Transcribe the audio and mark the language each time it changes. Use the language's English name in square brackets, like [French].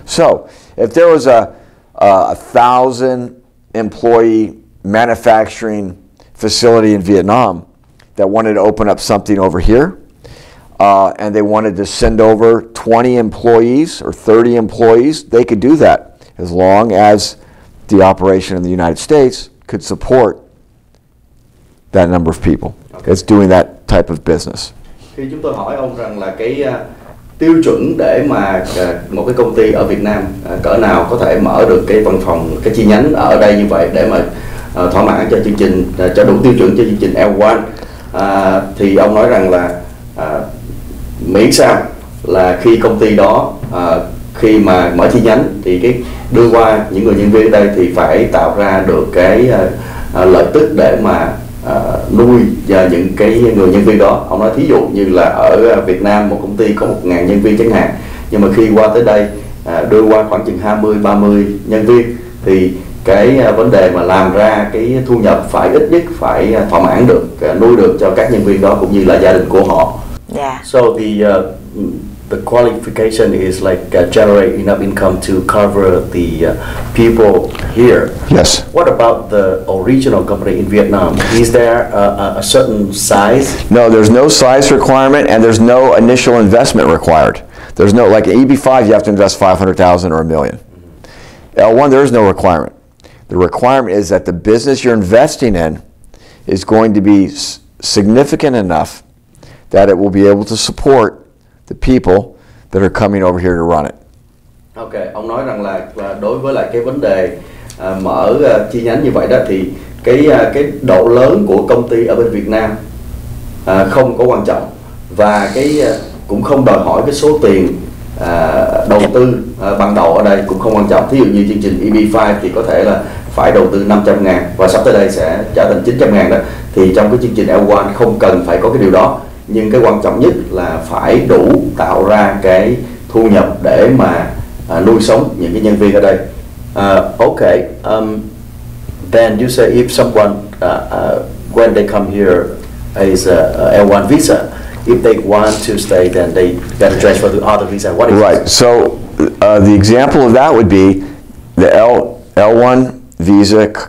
[English] So if there was a 1,000 employee manufacturing facility in Vietnam that wanted to open up something over here, and they wanted to send over 20 employees or 30 employees, they could do that as long as the operation in the United States could support that number of people. Okay. It's doing that type of business. [Vietnamese] Thì chúng tôi hỏi ông rằng là cái tiêu chuẩn để mà một cái công ty ở Việt Nam cỡ nào có thể mở được cái văn phòng, cái chi nhánh ở đây như vậy để mà thỏa mãn cho chương trình, cho đủ tiêu chuẩn cho chương trình L1. Thì ông nói rằng là miễn sao là khi công ty đó khi mà mở chi nhánh thì cái đưa qua những người nhân viên ở đây thì phải tạo ra được cái lợi tức để mà nuôi và những cái người nhân viên đó. Ông nói thí dụ như là ở Việt Nam một công ty có 1.000 nhân viên chẳng hạn, nhưng mà khi qua tới đây đưa qua khoảng chừng 20-30 nhân viên thì cái vấn đề mà làm ra cái thu nhập phải ít nhất phải thỏa mãn được, nuôi được cho các nhân viên đó cũng như là gia đình của họ. [English] Yeah. So the qualification is like generate enough income to cover the people here. Yes. What about the original company in Vietnam? Is there a certain size? No, there's no size requirement and there's no initial investment required. There's no, like EB-5, you have to invest $500,000 or a million. Mm-hmm. L1, there is no requirement. The requirement is that the business you're investing in is going to be significant enough that it will be able to support the people that are coming over here to run it. [Vietnamese] Okay, ông nói rằng là đối với lại cái vấn đề mở chi nhánh như vậy đó thì cái độ lớn của công ty ở bên Việt Nam không có quan trọng, và cái cũng không đòi hỏi cái số tiền đầu tư ban đầu ở đây cũng không quan trọng. Thí dụ như chương trình EB-5 thì có thể là phải đầu tư 500.000 và sắp tới đây sẽ trở thành 900.000 đó, thì trong cái chương trình L1 không cần phải có cái điều đó. Nhưng cái quan trọng nhất là phải đủ tạo ra cái thu nhập để mà nuôi sống những cái nhân viên ở đây. Ok, [English] Okay. Then you say if someone when they come here is L1 visa, if they want to stay, then they got to transfer to other visa. What is right? This? So the example of that would be the L1 visa.